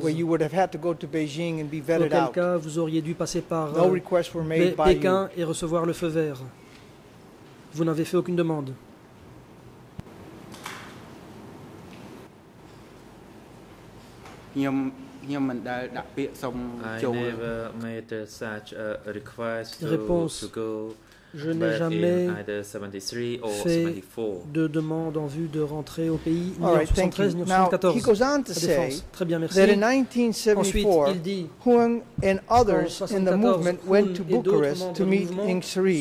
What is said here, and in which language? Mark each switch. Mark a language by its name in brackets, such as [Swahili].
[English] Where you would have had to go to Beijing and be vetted out. [French] Dans quel cas vous auriez dû passer par [English] no requests were made [French] Pékin [English] by you. [French] Et recevoir le feu vert. Vous n'avez fait aucune demande. [English] I never made such a request [French] réponse. [English] To go. [French] Je n'ai jamais fait de demande en vue de rentrer au pays ni en 73 ni en 74. [English] He goes on to say [French] très bien, merci. [English] That in 1974, [French] ensuite, il dit, [English] Huang and others in the movement went to Bucharest to meet Ying Sary,